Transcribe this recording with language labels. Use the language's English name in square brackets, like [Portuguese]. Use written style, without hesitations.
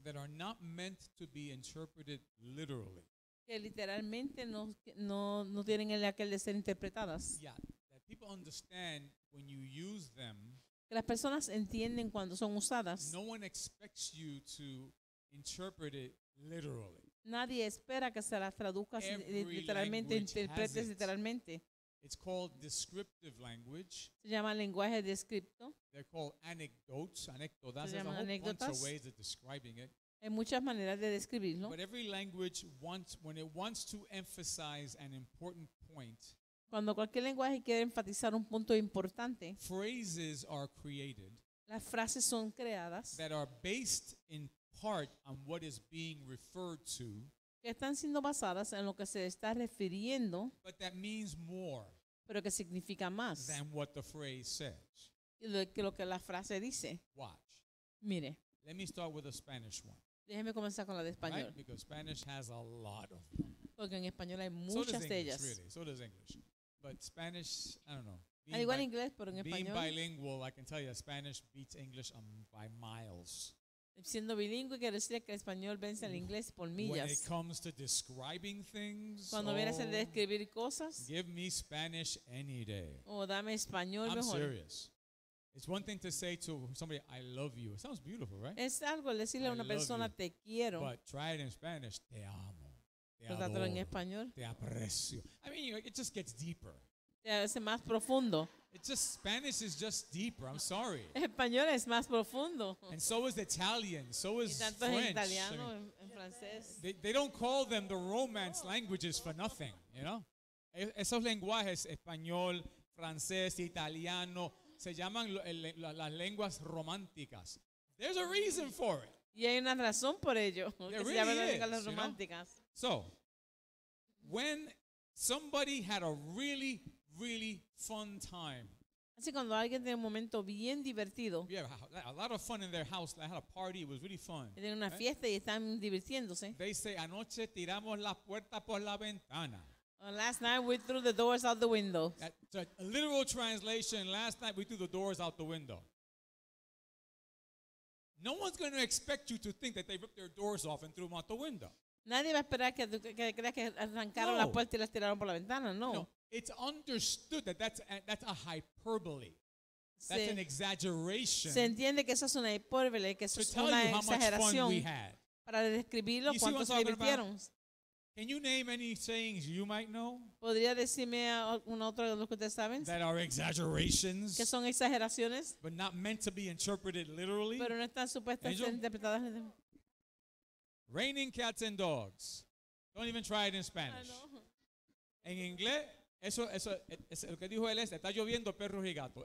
[English] That are not meant to be interpreted literally. [Spanish] Que literalmente no tienen el aquel de ser interpretadas. [English] Yeah, that people understand when you use them. [Spanish] Las personas entienden cuando son usadas. [English] No one expects you to interpret it literally. [Spanish] Nadie espera que se las traduzca literalmente, interpretes literalmente. [English] It's called descriptive language. [Spanish] Se llama lenguaje descripto. [English] They're called anecdotes, anecdotas. [Spanish] Se llaman anécdotas. [English] There's a whole bunch of ways of describing it. [Spanish] Hay muchas maneras de describirlo. [English] But every language wants, when it wants to emphasize an important point, [Spanish] cuando cualquier lenguaje quiere enfatizar un punto importante, [English] phrases are created, [Spanish] las frases son creadas, [English] that are based in part on what is being referred to, [Spanish] que están siendo basadas en lo que se está refiriendo, [English] but that means more, [Spanish] pero que significa más, [English] than what the phrase says. [Spanish] Que lo que la frase dice. [English] Watch. [Spanish] Mire. [English] Let me start with a Spanish one. [Spanish] Déjeme comenzar con la de español. [English] Right? Because Spanish has a lot of them. [Spanish] Porque en español hay muchas [English] so does English, [Spanish] de ellas. [English] Really. So does English. But Spanish, I don't know. [Spanish] Al igual inglés, pero en español. [English] Being bilingual, I can tell you, Spanish beats English by miles. [Spanish] Siendo bilingüe, quiero decir que el español vence al inglés por millas. [English] When it comes to describing things, [Spanish] cuando viene a ser de describir cosas, [English] give me Spanish any day. [Spanish] Oh, dame español [English] I'm [Spanish] mejor. [English] I'm serious. It's one thing to say to somebody, I love you. It sounds beautiful, right? [Spanish] Es algo decirle a una persona, te quiero. [English] But try it in Spanish, [Spanish] te amo. Trátalo en español. Te aprecio. [English] I mean, it just gets deeper. [Spanish] Es más profundo. [English] It's just Spanish is just deeper. I'm sorry. [Spanish] Español es más profundo. [English] And so is Italian. So is French. [Spanish] Italiano, [English] I mean, [Spanish] en francés. [English] They don't call them the Romance languages for nothing. You know, [Spanish] esos lenguajes español, francés, italiano se llaman las lenguas románticas. [English] There's a reason for it. [Spanish] Y hay una razón por ello. [English] There really is. [Spanish] Las románticas. [English] You know? So, when somebody had a really, really fun time. [Spanish] Así cuando alguien tiene un momento bien divertido. [English] Yeah, a lot of fun in their house. They had a party. It was really fun. [Spanish] Tienen una fiesta y están divirtiéndose. [English] They say, [Spanish] anoche tiramos la puerta por la ventana. [English] Last night we threw the doors out the window. A literal translation, last night we threw the doors out the window. No one's going to expect you to think that they ripped their doors off and threw them out the window. [Spanish] Nadie va a esperar que creas que arrancaron no. la puerta y las tiraron por la ventana, no. [English] No, it's understood that that's a hyperbole. That's an exaggeration. [Spanish] Se entiende que eso es una hipérbole, que eso es una exageración. Para describirlo, cuánto se divirtieron. [English] Can you name any sayings you might know? [Spanish] ¿Podría decirme un otro de los que ustedes saben? [English] That are exaggerations. [Spanish] Que son exageraciones. [English] But not meant to be interpreted literally. [Spanish] Pero no están supuestas ser interpretadas. [English] Raining cats and dogs. Don't even try it in Spanish. [Spanish] En inglés, eso lo que dijo él es, está lloviendo perros y gatos.